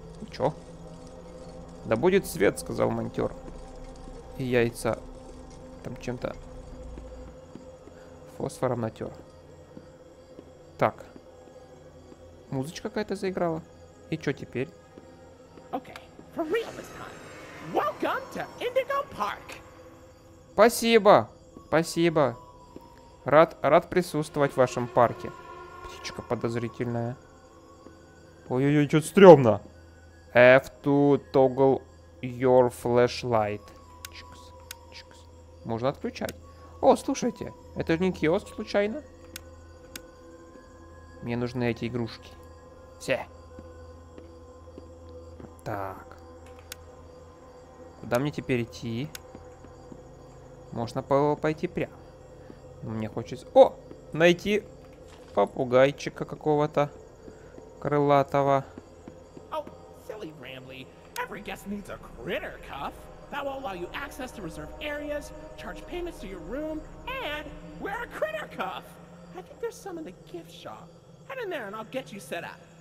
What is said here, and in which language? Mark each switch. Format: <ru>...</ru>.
<ru>Че? Да будет свет, сказал монтер. И яйца там чем-то фосфором натер. Так. Музычка какая-то заиграла. И че теперь?</ru> <en>Окей, for real this time. Welcome to Indigo Park.</en> <ru>Спасибо, спасибо. Рад, рад присутствовать в вашем парке. Птичка подозрительная. Ой-ой-ой, что-то стрёмно.</ru> <en>F to toggle your flashlight.</en> <ru>Чикс, чикс. Можно отключать. О, слушайте, это же не киоск случайно? Мне нужны эти игрушки. Все. Так. Куда мне теперь идти? Можно пойти прямо. Мне хочется... О! Найти попугайчика какого-то крылатого.</ru> <en>Oh, silly Rambly. Every guest needs a critter cuff. That will allow you access to reserved areas, charge payments to your room, and wear a critter cuff. I think there's some in the gift shop. Head in there and I'll get you set up.</en>